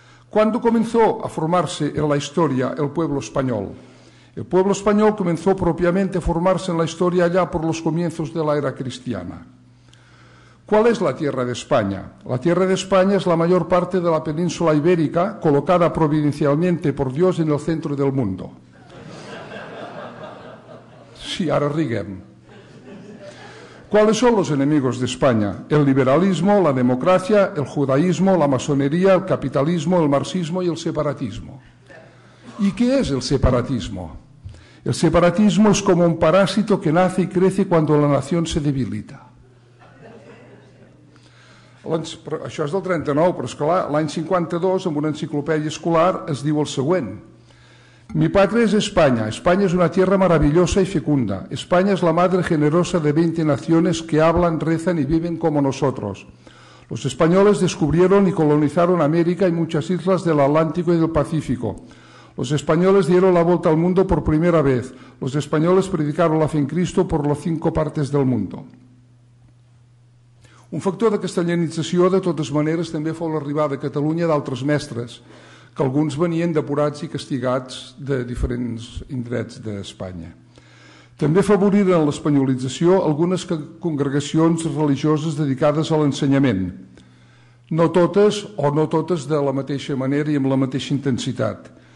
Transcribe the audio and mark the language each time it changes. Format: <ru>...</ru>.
<es>¿Cuándo comenzó a formarse en la historia el pueblo español? El pueblo español comenzó propiamente a formarse en la historia allá por los comienzos de la era cristiana. ¿Cuál es la tierra de España? La tierra de España es la mayor parte de la península ibérica colocada providencialmente por Dios en el centro del mundo.</es> <ca>Sí, ara riguem.</ca> <es>¿Cuáles son los enemigos de España? El liberalismo, la democracia, el judaísmo, la masonería, el capitalismo, el marxismo y el separatismo. ¿Y qué es el separatismo? El separatismo es como un parásito que nace y crece cuando la nación se debilita.</es> <ca>Això és del 39, però és clar, l'any 52, en una enciclopèdia escolar, es diu el següent.</ca> <es>Mi patria es España. España es una tierra maravillosa y fecunda. España es la madre generosa de 20 naciones que hablan, rezan y viven como nosotros. Los españoles descubrieron y colonizaron América y muchas islas del Atlántico y del Pacífico. Los españoles dieron la vuelta al mundo por primera vez. Los españoles predicaron la fe en Cristo por las 5 partes del mundo.</es> <ca>Un factor de castellanització, de totes maneres, també fou l'arribada a Catalunya d'altres mestres, que alguns venien depurats i castigats de diferents indrets d'Espanya. També favoriren l'espanyolització algunes congregacions religioses dedicades a l'ensenyament, no totes o no totes de la mateixa manera i amb la mateixa intensitat.</ca>